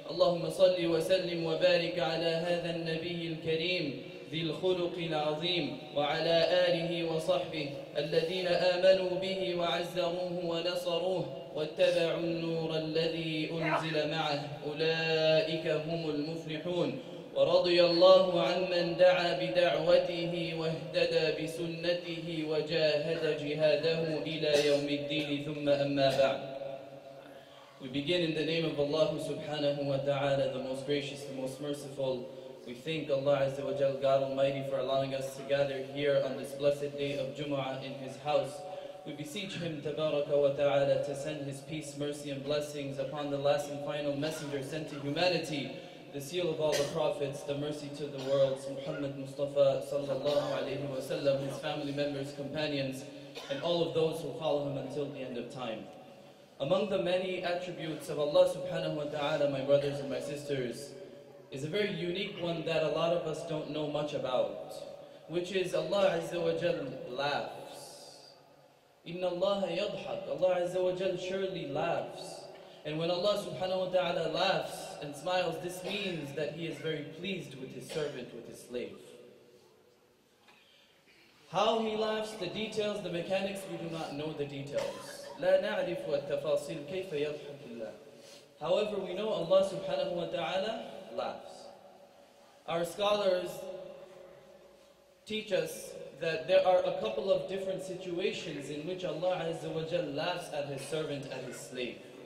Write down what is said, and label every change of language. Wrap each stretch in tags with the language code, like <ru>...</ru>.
<ar>اللهم صل وسلم وبارك على هذا النبي الكريم ذي الخلق العظيم وعلى آله وصحبه الذين آمنوا به وعزروه ونصروه واتبعوا النور الذي أنزل معه، أولئك هم المفلحون. ورضي الله عمن دعا بدعوته واهتدى بسنته وجاهد جهاده إلى يوم الدين. ثم أما بعد،</ar> <en>we begin in the name of Allah subhanahu wa ta'ala, the most gracious, the most merciful. We thank Allah Azza wa Jal, God Almighty, for allowing us to gather here on this blessed day of Jumu'ah in His house. We beseech Him, Tabaraka wa Ta'ala, to send His peace, mercy, and blessings upon the last and final messenger sent to humanity, the seal of all the prophets, the mercy to the world, Muhammad Mustafa sallallahu alayhi wa sallam, his family members, companions, and all of those who follow him until the end of time. Among the many attributes of Allah subhanahu wa ta'ala, my brothers and my sisters, is a very unique one that a lot of us don't know much about, which is Allah Azza wa Jal laughs.</en> <ar>Inna Allah yadhak,</ar> <en>Allah Azza wa Jal surely laughs. And when Allah subhanahu wa ta'ala laughs and smiles, this means that He is very pleased with His servant, with His slave. How He laughs, the details, the mechanics, we do not know the details.</en> <ar>لا نعرف التفاصيل كيف يضحك الله.</ar> <en>However, we know Allah subhanahu wa ta'ala laughs. Our scholars teach us that there are a couple of different situations in which Allah Azza wa Jal laughs at His servant, at His slave.</en>